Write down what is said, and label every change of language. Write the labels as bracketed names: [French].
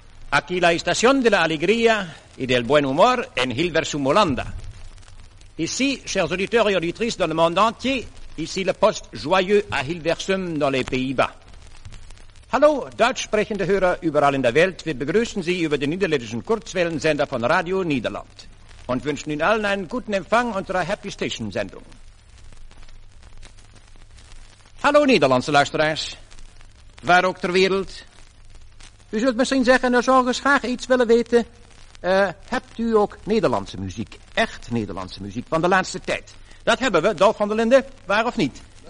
[Spanish] aquí la estación de la alegría y del buen humor en Hilversum, Holanda. [French] Ici, chers auditeurs et auditrices dans le monde entier, ici le poste joyeux à Hilversum dans les Pays-Bas. [German] Hallo, Deutsch sprechende Hörer überall in der Welt, wir begrüßen Sie über den niederländischen Kurzwellensender von Radio Niederland und wünschen Ihnen allen einen guten Empfang unserer Happy Station Sendung. [Dutch] Hallo, Nederlandse luisteraars, waar ook ter wereld. U zult misschien zeggen, nou zou ik eens graag iets willen weten. Hebt u ook Nederlandse muziek? Echt Nederlandse muziek van de laatste tijd? Dat hebben we, Dolf van der Linde, waar of niet?